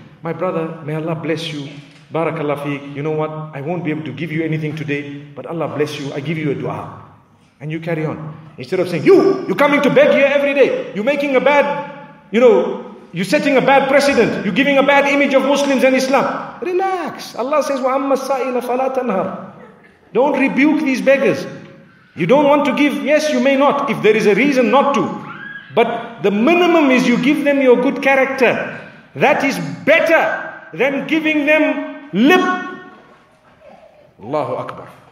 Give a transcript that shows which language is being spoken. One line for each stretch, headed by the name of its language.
English: My brother, may Allah bless you. Barakallah feek. You know what? I won't be able to give you anything today, but Allah bless you. I give you a dua. And you carry on. Instead of saying, you're coming to beg here every day. You're making a bad, you know, you're setting a bad precedent. You're giving a bad image of Muslims and Islam. Relax. Allah says,
Arabic: وَأَمَّا السَّائِلَ فَلَا تَنْهَرُ.
English: Don't rebuke these beggars. You don't want to give. Yes, you may not, if there is a reason not to. But the minimum is you give them your good character. That is better than giving them lip. Allahu Akbar.